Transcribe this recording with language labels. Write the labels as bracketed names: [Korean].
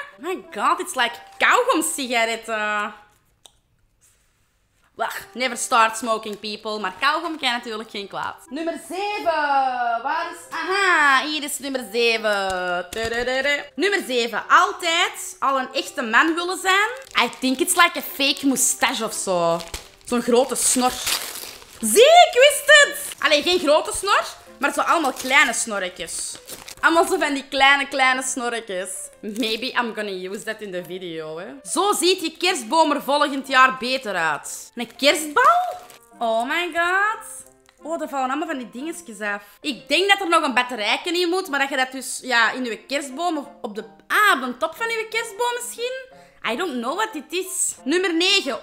[English] My god, it's like [Dutch] kauwgom sigaretten. Wacht, [English] never start smoking people. [Dutch] Maar kauwgom kan natuurlijk geen kwaad. Nummer 7. Waar is... Aha, hier is nummer 7. Tudududu. Nummer 7. Altijd al een echte man willen zijn. [English] I think it's like a fake moustache [Dutch] of zo. Zo'n grote snor. Zie, ik wist het! Allee, geen grote snor. Maar zo allemaal kleine snorretjes. Allemaal zo van die kleine snorretjes. [English] Maybe I'm gonna use that in the video, hè. [Dutch] Zo ziet je kerstboom er volgend jaar beter uit. Een kerstbal? [English] Oh my god. [Dutch] Oh, er vallen allemaal van die dingetjes af. Ik denk dat er nog een batterijke in moet, maar dat je dat dus ja, in je kerstboom of op de... Ah, op de top van je kerstboom misschien? [English] I don't know what it is. [Dutch] Nummer 9.